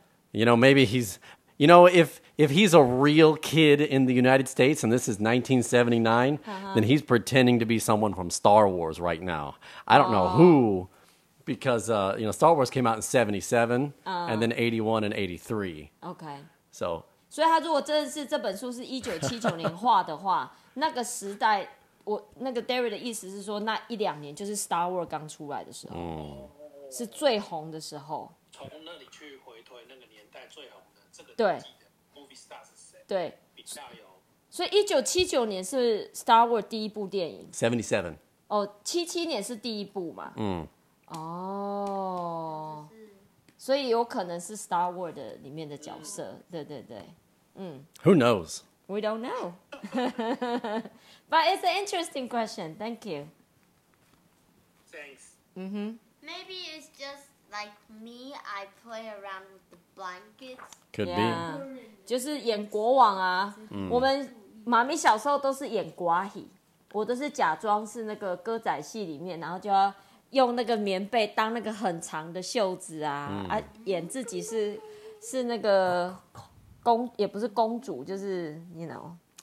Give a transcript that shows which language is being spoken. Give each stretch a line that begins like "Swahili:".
English: You know, maybe he's, you know, if he's a real kid in the United States and this is 1979, then he's pretending to be someone from Star Wars right now. I don't know who, because you know, Star Wars came out in 77 and then 81 and 83. Okay. So.
Chinese: 所以他如果真的是这本书是1979年画的话，那个时代。我那个Derry的意思是说，那一两年就是 Star Wars 刚出来的时候，是最红的时候。从那里去回推那个年代最红的这个记得，Movie Star是谁？对，比较有。所以1979年是 Star Wars 第一部电影。77。哦，77年是第一部嘛？嗯。哦。所以有可能是 Star Wars 里面的角色。对对对，嗯。
English: Who knows? We don't know. But it's an interesting question. Thank you. Thanks. Mm-hmm. Maybe it's just like me, I play around with the blankets. Could be.
Chinese: 就是演国王啊。我们妈咪小时候都是演瓜戏，我都是假装是那个歌仔戏里面，然后就要用那个棉被当那个很长的袖子啊，演自己是那个公，也不是公主，就是
English: you know.